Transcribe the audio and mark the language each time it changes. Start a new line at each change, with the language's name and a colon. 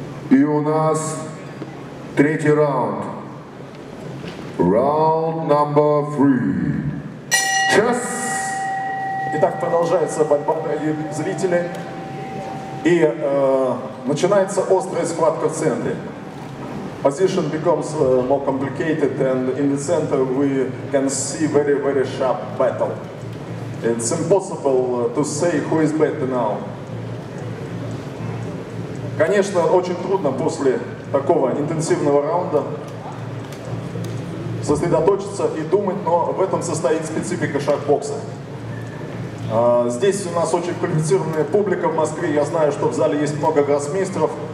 Russian: И у нас третий раунд. Раунд номер 3. Час! Итак, продолжается борьба зрителей. И начинается острая схватка в центре.
English: Position becomes more complicated, and in the center we can see very, very sharp battle. It's impossible to say who is better now.
Russian: Конечно, очень трудно после такого интенсивного раунда сосредоточиться и думать, но в этом состоит специфика шахбокса. Здесь у нас очень квалифицированная публика в Москве. Я знаю, что в зале есть много гроссмейстеров.